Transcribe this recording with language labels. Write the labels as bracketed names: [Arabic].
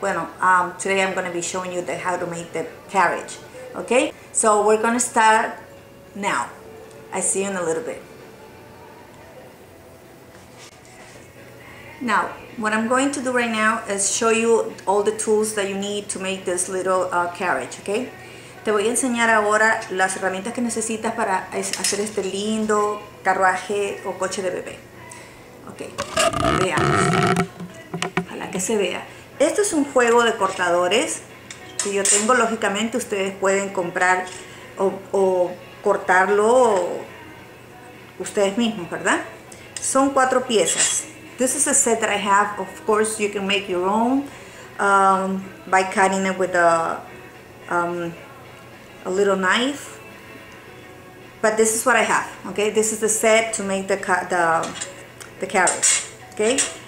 [English] Today I'm going to be showing you how to make the carriage. Okay, so we're gonna start now. I see you in a little bit. Now, what I'm going to do right now is show you all the tools that you need to make this little carriage, okay? [Spanish] Te voy a enseñar ahora las herramientas que necesitas para hacer este lindo carruaje o coche de bebé. Okay, veamos. Ojalá que se vea. Esto es un juego de cortadores. Si yo tengo, lógicamente ustedes pueden comprar o cortarlo o ustedes mismos, ¿verdad? Son cuatro piezas. [English] This is a set that I have. Of course, you can make your own by cutting it with a little knife. But this is what I have, okay? This is the set to make the carriage, okay?